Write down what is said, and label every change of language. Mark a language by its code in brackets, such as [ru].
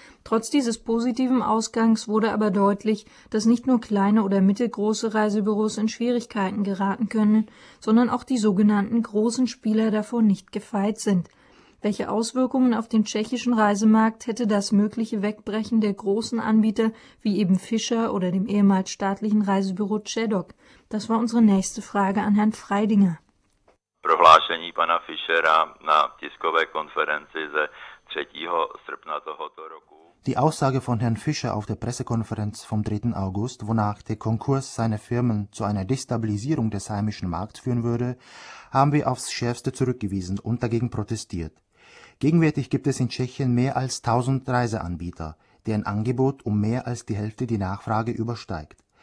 [de] Trotz dieses positiven Ausgangs wurde aber deutlich, dass nicht nur kleine oder mittelgroße Reisebüros in Schwierigkeiten geraten können, sondern auch die sogenannten großen Spieler davor nicht gefeit sind. Welche Auswirkungen auf den tschechischen Reisemarkt hätte das mögliche Wegbrechen der großen Anbieter wie eben Fischer oder dem ehemals staatlichen Reisebüro Cedoc? Das war unsere nächste Frage an Herrn Freidinger. [cs] Prohlášení pana Fischera na tiskové konferenci ze 3. srpna tohoto roku. [de] Die Aussage von Herrn Fischer auf der Pressekonferenz vom 3. August, wonach der Konkurs seiner Firmen zu einer Destabilisierung des heimischen Markts führen würde, haben wir aufs Schärfste zurückgewiesen und dagegen protestiert. Gegenwärtig gibt es in Tschechien mehr als 1000 Reiseanbieter, deren Angebot um mehr als die Hälfte die Nachfrage übersteigt.